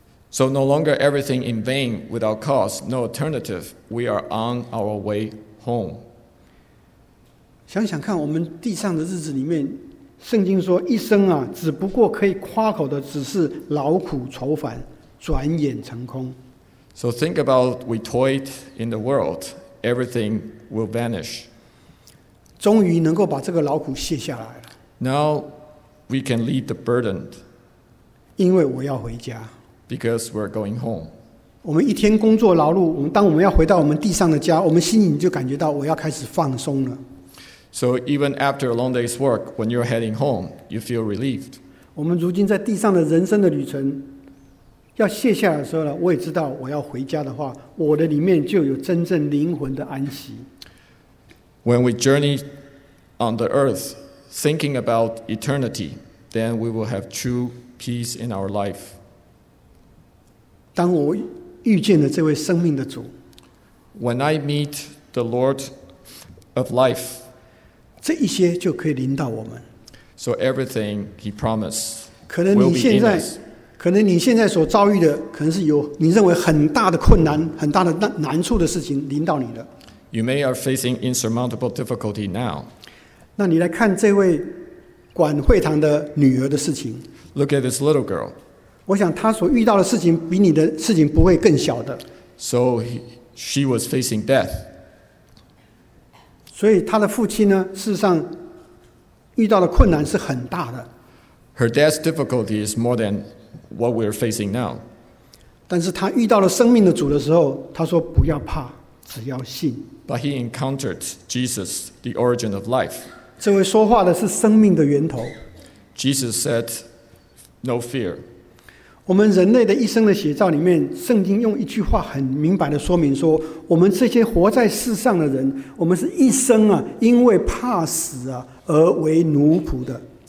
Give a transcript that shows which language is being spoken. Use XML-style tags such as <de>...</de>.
<en>So no longer everything in vain, without cause, no alternative, we are on our way home.</en> <zh>想想看，我们地上的日子里面。圣经说一生啊，只不过可以夸口的只是劳苦愁烦，转眼成空。</zh> <en>So think about we toyed in the world, everything will vanish.</en> <zh>终于能够把这个劳苦卸下来了。</zh> <en>Now we can leave the burden</en> <zh>因为我要回家。</zh> <en>Because we're going home.</en> <zh>我们一天工作劳碌，我们当我们要回到我们地上的家，我们心里就感觉到我要开始放松了。</zh> <en>So even after a long day's work, when you're heading home, you feel relieved.</en> <zh>我们如今在地上的人生的旅程要卸下的时候呢，我也知道我要回家的话，我的里面就有真正灵魂的安息。</zh> <en>When we journey on the earth, thinking about eternity, then we will have true peace in our life.</en> <zh>当我遇见了这位生命的主，</zh> <en>When I meet the Lord of life,</en> <zh>这一些就可以临到我们。</zh> <en>So everything he promised will be in us.</en> <zh>可能你现在，可能你现在所遭遇的，可能是有你认为很大的困难、很大的难处的事情临到你的。</zh> <en>You may are facing insurmountable difficulty now.</en> <zh>那你来看这位管会堂的女儿的事情。</zh> <en>Look at this little girl.</en> <zh>我想她所遇到的事情比你的事情不会更小的。</zh> <en>So she was facing death.</en> <zh>所以她的父亲呢，事实上遇到的困难是很大的。</zh> <en>Her death's difficulty is more than what we're facing now.</en> <zh>但是她遇到了生命的主的时候，她说不要怕。只要信。</zh> <en>But he encountered Jesus, the origin of life.</en> <zh>这位说话的是生命的源头。</zh> <en>Jesus said, "No fear."</en> <zh>我们人类的一生的写照里面，圣经用一句话很明白的说明说，我们这些活在世上的人，我们是一生啊，因为怕死啊而为奴仆的。</zh>